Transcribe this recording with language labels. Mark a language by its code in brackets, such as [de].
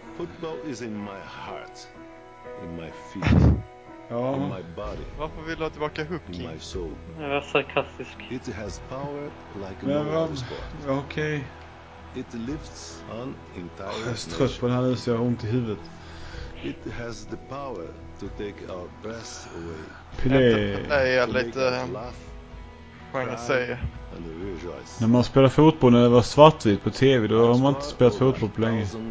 [en] Football is in my heart. In my feet. Ja. [sv] Varför vill du ha tillbaka Hoop King? Jag var sarkastisk. [en] It has power like a motorsport. Okej. It lifts an entire nation. [sv] Jag är trött på den här nu så jag har ont i huvudet. [en] It has the power to take our breath away. Pelé. [sv] Nej, jag är lite... Vad jag säger. När man spelar fotboll när det var svartvitt på tv, då har man inte spelat fotboll på länge.